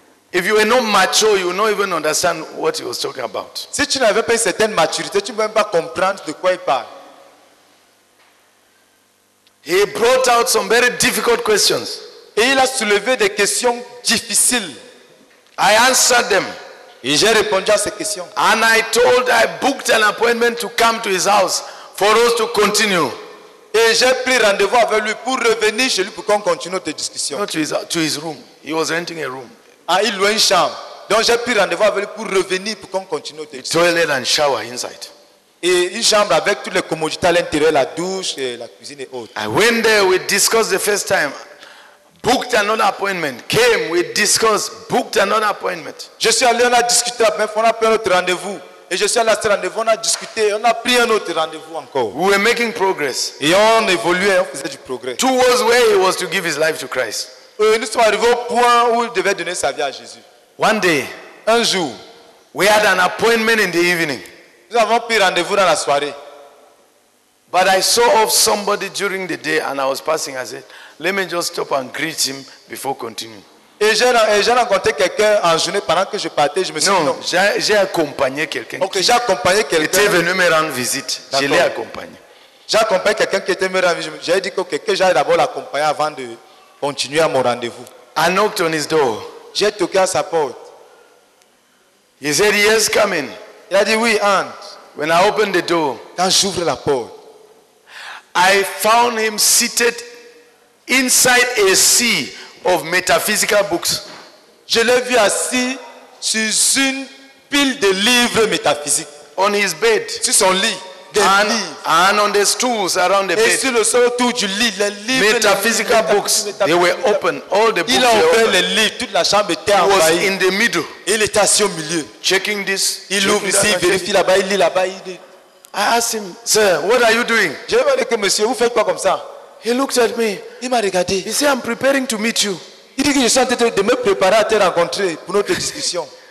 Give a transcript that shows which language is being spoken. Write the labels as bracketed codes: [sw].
[en] If you were not mature, you would not even understand what he was talking about. [fr] Si tu n'avais pas une certaine maturité, tu ne pouvais pas comprendre de quoi il parle. [en] He brought out some very difficult questions. [fr] Et il a soulevé des questions difficiles. [en] I answered them. [fr] Et j'ai répondu à ces questions. [en] And I booked an appointment to come to his house for us to continue. [fr] Et j'ai pris rendez-vous avec lui pour revenir chez lui pour qu'on continue notre discussion. [en] To his room. He was renting a room. [fr] Ah, il louait une chambre. Donc j'ai pris rendez-vous avec lui pour revenir pour qu'on continue notre discussion. [en] Toilet and shower inside. [fr] Et une chambre avec toutes les commodités à l'intérieur, la douche, et la cuisine et autres. [en] I went there, we discussed the first time. Booked another appointment. Came, we discussed, booked another appointment. [fr] Je suis allé, on a discuté, mais on a pris un autre rendez-vous. Et je suis allé à ce rendez-vous, on a discuté, on a pris un autre rendez-vous encore. [en] We were making progress. [fr] Et on évoluait, on faisait du progrès. [en] Towards where he was to give his life to Christ. [fr] Et nous sommes arrivés au point où il devait donner sa vie à Jésus. [en] One day, [fr] un jour, [en] we had an appointment in the evening. [fr] Nous avons pris rendez-vous dans la soirée. [en] But I saw off somebody during the day and I was passing. I said, let me just stop and greet him before continuing. [fr] Et j'ai rencontré quelqu'un en journée pendant que je partais. Je me suis dit, non. J'ai accompagné quelqu'un. Ok, j'ai accompagné quelqu'un. Qui était venu me rendre visite. D'accord. Je l'ai accompagné. J'ai accompagné quelqu'un qui était venu me rendre visite. J'ai dit que j'allais d'abord l'accompagner avant de continuer à mon rendez-vous. [en] I knocked on his door. [fr] J'ai toqué à sa porte. [en] He said, yes, come in. [fr] Il a dit, oui, entre. [en] When I opened the door. [fr] Quand j'ouvre la porte. [en] I found him seated inside a sea of metaphysical books. [fr] Je l'ai vu assis sur une pile de livres métaphysiques. [en] On his bed. [fr] Sur son lit. des [en] and on the stools around the [fr] et bed. Sur le sol du lit, les livres, [en] metaphysical les books, they were open. All the books [fr] il a ouvert [en] were open. [fr] Les livres, toute la chambre était [en] he [fr] envahie. [en] Was in the middle. [fr] Il était assis au milieu. [en] Checking this. [fr] Il ouvre ici, il vérifie là-bas, il lit là-bas. Il dit, [en] I asked him, sir, what are you doing? [fr] Je lui ai dit, monsieur, vous faites quoi comme ça? [en] He looked at me. [fr] Il m'a regardé. [en] He said, I'm preparing to meet you. [fr] Il dit que je suis en train de me préparer à te rencontrer pour notre discussion.